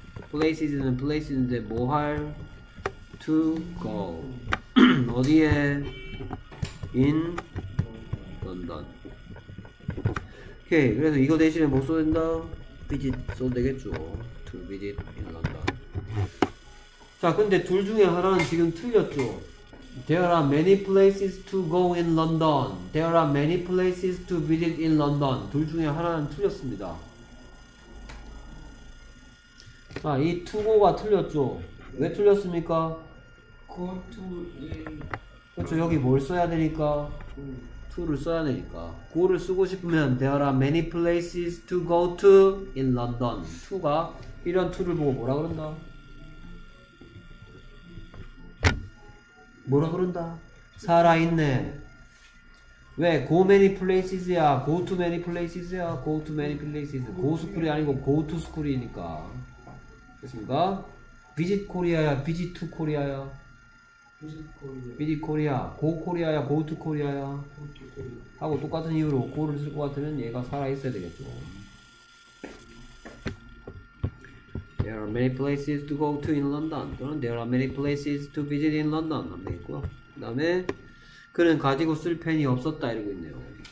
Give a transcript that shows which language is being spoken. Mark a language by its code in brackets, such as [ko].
[ko] Places는 places인데 뭐 할? [en] To go. [ko] 어디에? [en] In London. 오케이. [ko] 그래서 이거 대신에 뭐 써도 된다? [en] visit [ko] 써도 되겠죠. [en] to visit in London. [ko] 자, 근데 둘 중에 하나는 지금 틀렸죠. [en] There are many places to go in London. There are many places to visit in London. [ko] 둘 중에 하나는 틀렸습니다. 자, 이 [en] to go [ko] 가 틀렸죠. 왜 틀렸습니까? [en] go to in. [ko] 그렇죠. 여기 뭘 써야 되니까? to를 써야 되니까 go를 쓰고 싶으면 [en] there are many places to go to in London. [ko] to가 이런 to를 보고 뭐라 그런다? 뭐라 그런다? 살아있네. 왜 go many places야? [en] go to many places야? go to many places. go school이 아니고 go to school이니까. [ko] 됐습니까? [en] visit Korea야? visit to Korea야? visit Korea. visit Korea. go Korea야? go to Korea야? [ko] 하고 똑같은 이유로 go를 쓸 것 같으면 얘가 살아있어야 되겠죠. [en] There are many places to go to in London. 또는 there are many places to visit in London. [ko] 되겠고요. 그 다음에 그는 가지고 쓸 펜이 없었다 이러고 있네요.